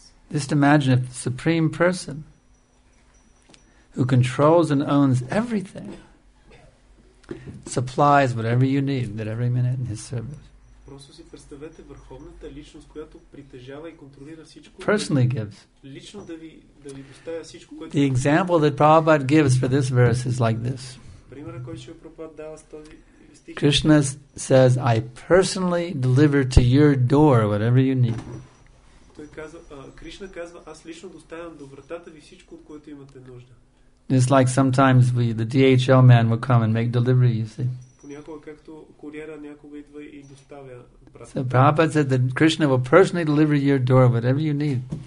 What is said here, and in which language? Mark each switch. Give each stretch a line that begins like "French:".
English: Just imagine if the Supreme Person who controls and owns everything supplies whatever you need at every minute in his service.
Bulgarian: Просто си представете върховната личност, която притежава и контролира всичко.
English: Personally gives.
Bulgarian: Лично да ви доставя всичко, което.
English: The example that Prabhupada gives for this verse is like this.
Bulgarian: Примерът, който ще Прабхупада дава с този стих.
English: Krishna says, "I personally deliver to your door whatever you need."
Bulgarian: Той казва, Кришна казва, аз лично доставям до вратата ви всичко, от което имате нужда.
English: It's like sometimes the DHL man will come and make delivery, you see. So Prabhupada said that Krishna will personally deliver your door whatever you need.